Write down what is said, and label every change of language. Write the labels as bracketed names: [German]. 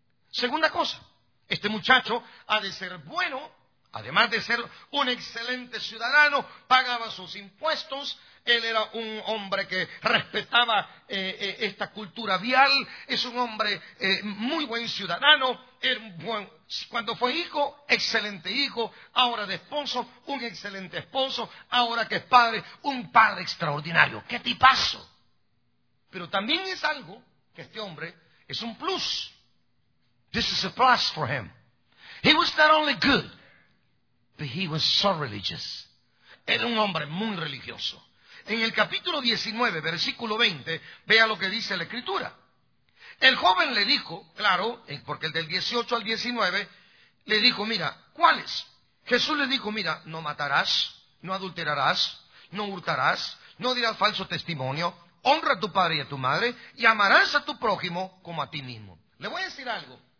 [Spanish] Segunda cosa, este muchacho ha de ser bueno, además de ser un excelente ciudadano, pagaba sus impuestos, él era un hombre que respetaba esta cultura vial, es un hombre muy buen ciudadano, era un buen, cuando fue hijo, excelente hijo, ahora de esposo, un excelente esposo, ahora que es padre, un padre extraordinario. ¡Qué tipazo! Pero también es algo que este hombre es un plus. [English] This is a plus for him. He was not only good, but he was so religious. [Spanish] Era un hombre muy religioso. En el capítulo 19, versículo 20, vea lo que dice la Escritura. El joven le dijo, claro, porque el del 18 al 19, le dijo, mira, ¿cuáles? Jesús le dijo, mira, no matarás, no adulterarás, no hurtarás, no dirás falso testimonio, honra a tu padre y a tu madre, y amarás a tu prójimo como a ti mismo. Le voy a decir algo.